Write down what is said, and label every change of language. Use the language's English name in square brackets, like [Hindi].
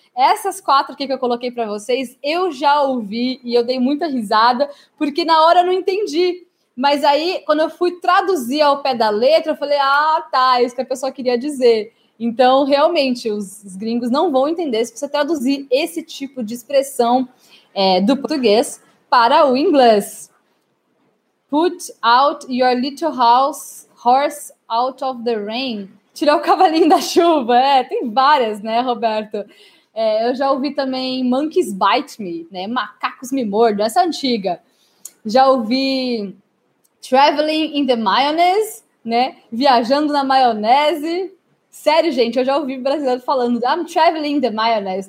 [Portuguese] Essas quatro aqui que eu coloquei para vocês, eu já ouvi e eu dei muita risada, porque na hora eu não entendi. Mas aí, quando eu fui traduzir ao pé da letra, eu falei, ah, tá, é isso que a pessoa queria dizer. Então, realmente, os gringos não vão entender se você traduzir esse tipo de expressão do português para o inglês. [English] Put out your little horse out of the rain. [Portuguese] Tirar o cavalinho da chuva. É, tem várias, né, Roberto? É, eu já ouvi também [English] monkeys bite me, [Portuguese] né? Macacos me mordam. Essa é antiga. Já ouvi [English] traveling in the mayonnaise, [Portuguese] né? Viajando na maionese. Sério, gente, eu já ouvi brasileiro falando [English] I'm traveling in the mayonnaise.